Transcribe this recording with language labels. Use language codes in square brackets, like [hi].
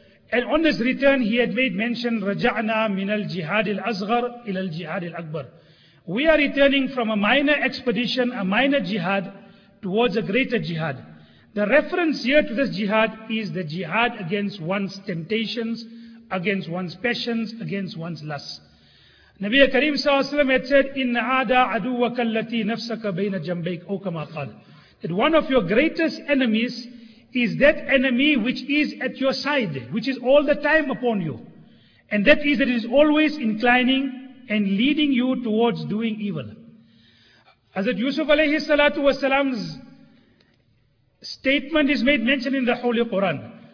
[en] And on his return, he had made mention, [ar] رَجَعْنَا مِنَ الْجِهَادِ الْأَصْغَرِ إِلَى الْجِهَادِ الْأَكْبَرِ. [en] We are returning from a minor expedition, a minor jihad, towards a greater jihad. The reference here to this jihad is the jihad against one's temptations, against one's passions, against one's lusts. Nabi Kareem SAW had said, [ar] إِنَّ عَادَ عَدُوَّكَ الَّتِي نَفْسَكَ بَيْنَ جَنْبَيْكَ أَوْ كَمَا قَالَ. [en] That one of your greatest enemies is that enemy which is at your side, which is all the time upon you. And that is, it is always inclining and leading you towards doing evil. Hazrat Yusuf alayhi salatu wasalam's statement is made mention in the Holy Quran.